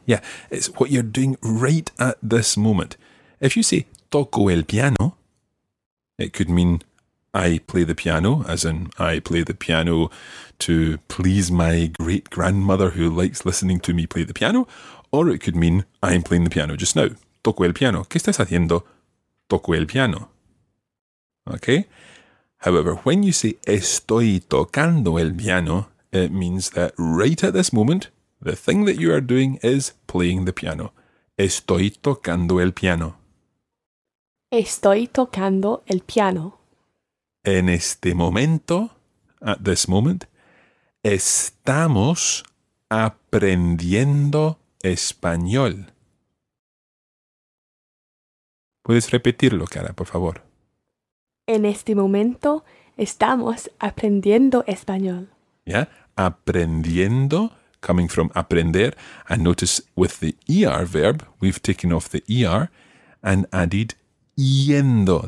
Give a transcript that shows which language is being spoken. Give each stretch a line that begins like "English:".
English: Yeah, it's what you're doing right at this moment. If you say,
Spanish: toco el piano,
English: it could mean I play the piano, as in I play the piano to please my great-grandmother who likes listening to me play the piano, or it could mean I'm playing the piano just now.
Spanish: Toco el piano. ¿Qué estás haciendo? Toco el piano. Okay?
English: However, when you say
Spanish: estoy tocando el piano,
English: it means that right at this moment, the thing that you are doing is playing the piano.
Spanish: Estoy tocando el piano. Estoy tocando el piano. En este momento,
English: at this moment,
Spanish: estamos aprendiendo español. ¿Puedes repetirlo, Cara, por favor? En este momento, estamos aprendiendo español. ¿Ya? Aprendiendo,
English: coming from
Spanish: aprender.
English: And notice with the ER verb, we've taken off the ER and added yendo.